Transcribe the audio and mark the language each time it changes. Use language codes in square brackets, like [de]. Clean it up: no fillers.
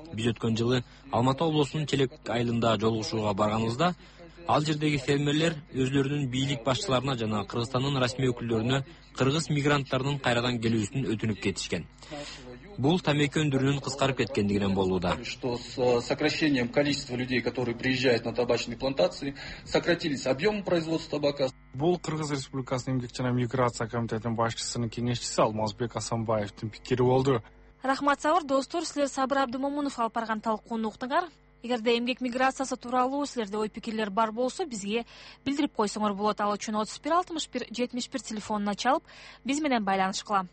[ky] Биз өткөн жылы Алматы облусунун Челек айылында жолугушууга барганыбызда ал жердеги фермерлер өзлөрүнүн бийлик башчыларына жана Кыргызстандын расмий өкүлдөрүнө кыргыз мигранттарынын кайрадан келүүсүн өтүнүп кетишкен. Бул тамеки өндүрүүнүн кыскарып кеткендигинен болууда. [ru] Что с сокращением количества людей, которые приезжают на табачные плантации, сократились объемы производства табака. [ky] Бул Кыргыз Республикасынын эмгек жана миграция комитетинин башчысынын кеңешчиси Алмазбек Асанбаевдин пикири болду. Рахмат Саур, достор, силер Сабыр Абдымомунов алып барган талкууну уктуңар. Эгерде эмгек миграциясы тууралуу силерде ой пикирлер бар болсо, бизге билдирип койсоңор болот. Ал үчүн 31-61-71 телефонуна чалып, биз менен байланышкыла.